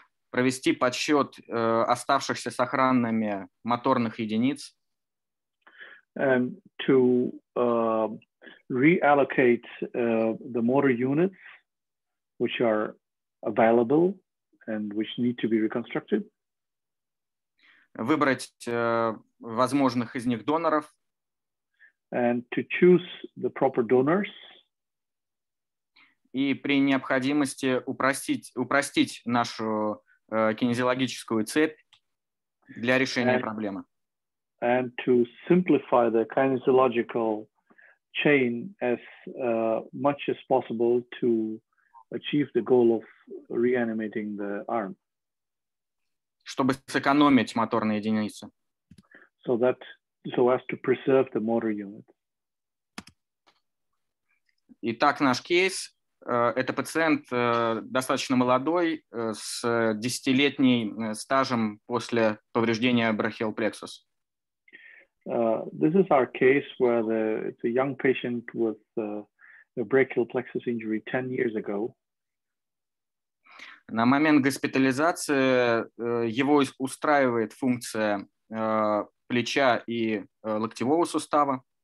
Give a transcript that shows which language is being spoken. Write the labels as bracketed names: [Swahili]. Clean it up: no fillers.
[Russian] Провести подсчет оставшихся сохранными моторных единиц. [English] And to reallocate the motor units which are available and which need to be reconstructed. [Russian] Выбрать возможных из них доноров. [English] And to choose the proper donors. [Russian] И при необходимости упростить нашу кинезиологическую цепь для решения проблемы. [English] And to simplify the kinesiological chain as much as possible to achieve the goal of reanimating the arm. [Russian] Чтобы сэкономить моторные единицы. [English] So as to preserve the motor unit. [Russian] Итак, наш кейс. Это пациент достаточно молодой, с 10-летним стажем после повреждения брахиал плексус. [English] This is our case where it's a young patient with a brachial plexus injury 10 years ago. [Russian] На момент госпитализации его устраивает функция плеча и локтевого сустава.